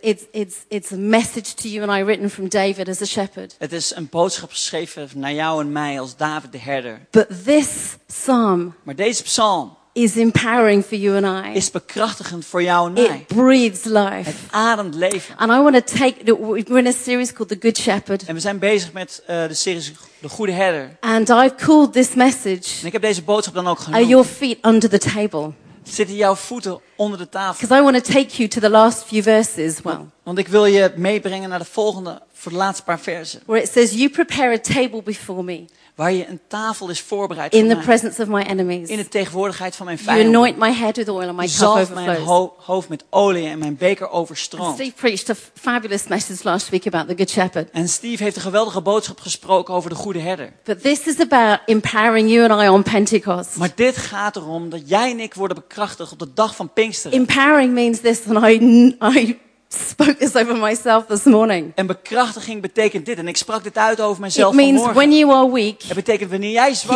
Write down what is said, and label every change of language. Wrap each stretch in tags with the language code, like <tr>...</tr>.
<en>It's a message to you and I written from David as a shepherd.</en> <nl>Het is een boodschap geschreven naar jou en mij als David de herder.</nl> <en>But this psalm.</en> <nl>Maar deze psalm</nl> <en>is empowering for you and I.</en> <nl>Is bekrachtigend voor jou en mij.</nl> <en>It breathes life.</en> <nl>Het ademt leven.</nl> <en>And I want to take we're in a series called The Good Shepherd.</en> <nl>En we zijn bezig met de serie De Goede Herder.</nl> <en>And I've called this message.</en> <nl>En ik heb deze boodschap dan ook genoemd.</nl> <en>Are your feet under the table?</en> <nl>Zitten jouw voeten onder de tafel?</nl> <en>Because I want to take you to the last few verses. Well,</en> <nl>want ik wil je meebrengen naar de volgende voor de laatste paar versen.</nl> <en>Where it says you prepare a table before me.</en> <nl>Waar je een tafel is voorbereid</nl> <en>in the presence of my enemies.</en> <nl>In de tegenwoordigheid van mijn vijanden.</nl> <en>You anoint my head with oil and my cup overflows.</en> <nl>Je zalft mijn hoofd met olie en mijn beker overstroomt.</nl> <en>Steve preached a fabulous message last week about the good shepherd.</en> <nl>En Steve heeft een geweldige boodschap gesproken over de goede herder.</nl> <en>But this is about empowering you and I on Pentecost.</en> <nl>Maar dit gaat erom dat jij en ik worden bekrachtigd op de dag van Pinksteren.</nl> <en>Empowering means this and I spoke this over myself this morning.</en> <nl>En bekrachtiging betekent dit, en ik sprak dit uit over mezelf</nl> <en>it means</en> <nl>vanmorgen.</nl> <en>When you are weak,</en> <nl>het betekent wanneer jij zwak</nl>